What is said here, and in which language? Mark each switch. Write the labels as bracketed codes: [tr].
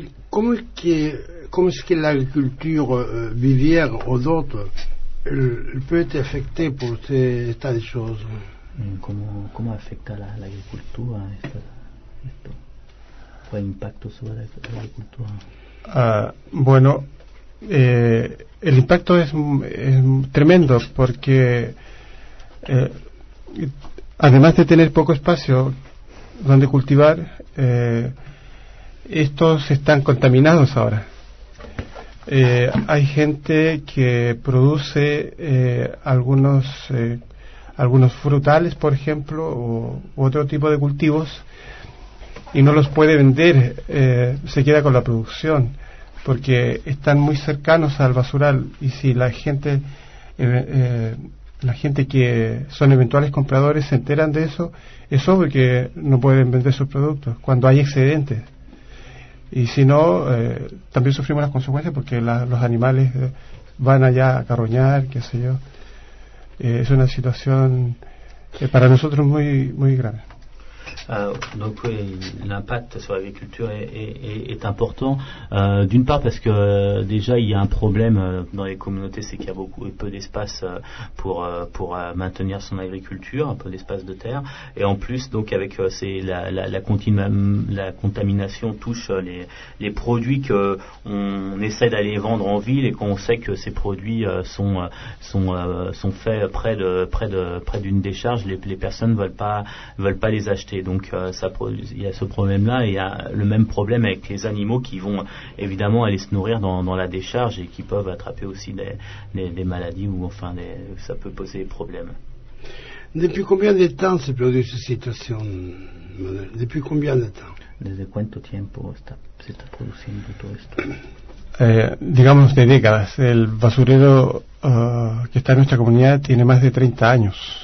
[fr] Comment est-ce que l'agriculture vivière aux autres peut être affectée pour cet état de choses? Comment affecte l'agriculture quel impact sur l'agriculture? [es] El impacto es tremendo porque además de tener poco espacio donde cultivar, estos están contaminados ahora. Hay gente que produce algunos frutales, por ejemplo, u otro tipo de cultivos, y no los puede vender, se queda con la producción, porque están muy cercanos al basural, y si la gente que son eventuales compradores se enteran de eso, es obvio que no pueden vender sus productos cuando hay excedentes. Y si no, también sufrimos las consecuencias porque los animales van allá a carroñar, qué sé yo. Es una situación para nosotros muy muy grave. [fr] Donc l'impact sur l'agriculture est important, d'une part parce que déjà il y a un problème dans les communautés, c'est qu'il y a beaucoup et peu d'espace pour maintenir son agriculture, un peu d'espace de terre, et en plus donc avec c'est la contamination touche les produits que on essaie d'aller vendre en ville et qu'on sait que ces produits sont faits près d'une décharge, les personnes veulent pas les acheter. Donc il y a ce problème là et il y a le même problème avec les animaux qui vont évidemment aller se nourrir dans la décharge et qui peuvent attraper aussi des maladies ou enfin ça peut poser des problèmes. Depuis combien de temps se produit cette situation? Depuis combien de temps? [es] Desde cuánto tiempo se está produciendo todo esto? Digamos de décadas. El basurero que está en nuestra comunidad tiene más de 30 años.